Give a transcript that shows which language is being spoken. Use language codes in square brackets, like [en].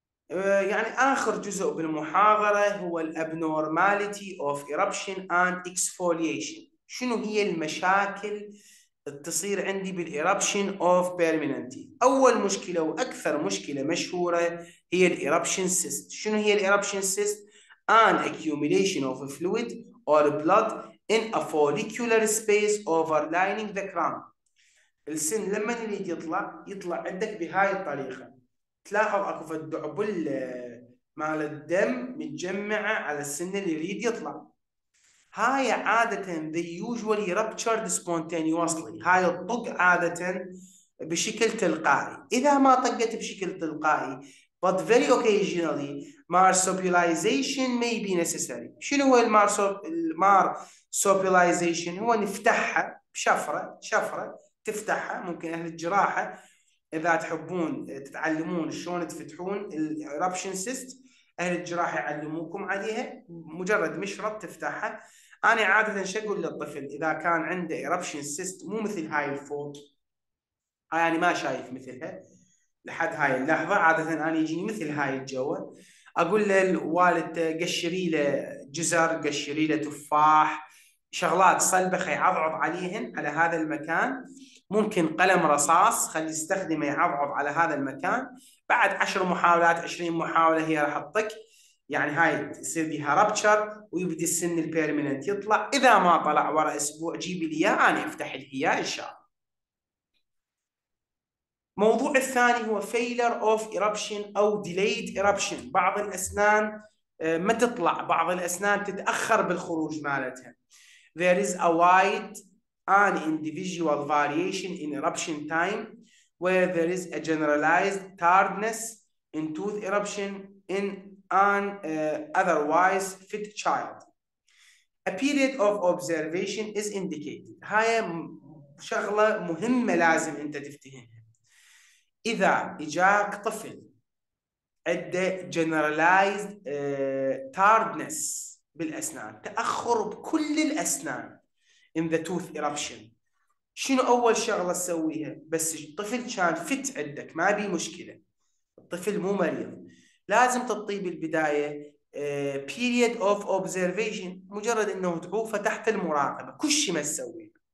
[ar] يعني اخر جزء بالمحاضره هو الابنورماليتي اوف ايربشن اند اكسفوليشن، شنو هي المشاكل تصير عندي بالايربشن اوف بيرمننت تيث. اول مشكله واكثر مشكله مشهوره هي الايربشن سيست. شنو هي الايربشن سيست؟ [en] An accumulation of fluid or blood in a follicular space overlining the crown. [ar] السن لما يريد يطلع، يطلع عندك بهاي الطريقه. تلاحظ اكو فد دعبل مال الدم متجمعه على السن اللي يريد يطلع. هاي عاده [en] they usually ruptured spontaneously. [ar] هاي الطق عاده بشكل تلقائي. اذا ما طقت بشكل تلقائي [en] but very occasionally marsupialization may be necessary. [ar] شنو هو المارسوبيلايزيشن؟ هو نفتحها بشفره، شفره تفتحها. ممكن اهل الجراحه اذا تحبون تتعلمون شلون تفتحون الاربشن سيست، اهل الجراحه يعلموكم عليها. مجرد مشرط تفتحها. انا عاده شو اقول للطفل اذا كان عنده اربشن سيست مو مثل هاي الفوق، يعني ما شايف مثلها لحد هاي اللحظه، عاده انا يجيني مثل هاي الجو، اقول للوالد قشري له جزر، قشري له تفاح، شغلات صلبه خي عضعض عليهن على هذا المكان، ممكن قلم رصاص خلي يستخدمه يعضعض على هذا المكان، بعد 10 محاولات 20 محاوله هي راح تطق، يعني هاي تصير بها ربتشر ويبدي السن البيرمننت يطلع. اذا ما طلع ورا اسبوع جيبي لي اياه انا افتح لك اياه ان شاء الله. موضوع الثاني هو [en] failure of eruption أو delayed eruption. [ar] بعض الأسنان ما تطلع، بعض الأسنان تتأخر بالخروج مالتها. [en] There is a wide and individual variation in eruption time where there is a generalized tardiness in tooth eruption in an otherwise fit child. A period of observation is indicated. [ar] هاي شغلة مهمة لازم أنت تفتهمها. إذا إجاك طفل عنده [en] generalized tardness [ar] بالأسنان، تأخر بكل الأسنان [en] in the tooth eruption، [ar] شنو أول شغلة تسويها؟ بس الطفل كان فت عندك ما بي مشكلة، الطفل مو مريض، لازم تعطيه بالبداية [en] period of observation، [ar] مجرد إنه تعوفه تحت المراقبة كل شيء ما تسويه.